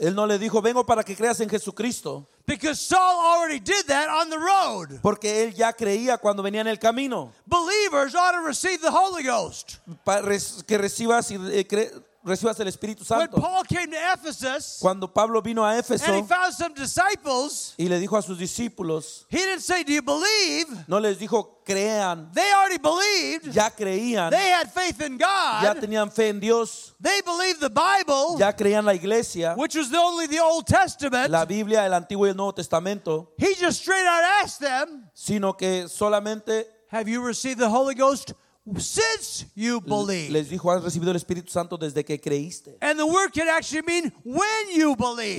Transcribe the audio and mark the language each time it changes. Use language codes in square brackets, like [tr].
[es] Él no le dijo, "Vengo para que creas en Jesucristo." [en] Because Saul already did that on the road. [es] Porque él ya creía cuando venía en el camino. [en] Believers ought to receive the Holy Ghost. [es] Que recibas y recibas el Espíritu Santo. [en] When Paul came to Ephesus, [es] cuando Pablo vino a Éfeso, [en] and he found some disciples, [es] y le dijo a sus discípulos, [en] he didn't say, "Do you believe?" [es] No les dijo, crean. [en] They already believed. [es] Ya creían. [en] They had faith in God. [es] Ya tenían fe en Dios. [en] They believed the Bible. [es] Ya creían la iglesia. [en] Which was only the Old Testament. [es] La Biblia, el Antiguo y el Nuevo Testamento. [en] He just straight out asked them, [es] sino que solamente, [en] "Have you received the Holy Ghost since you believe?" [es] Les dijo, "¿Has recibido el Espíritu Santo desde que creíste?" [en] And the word could actually mean "when you believe."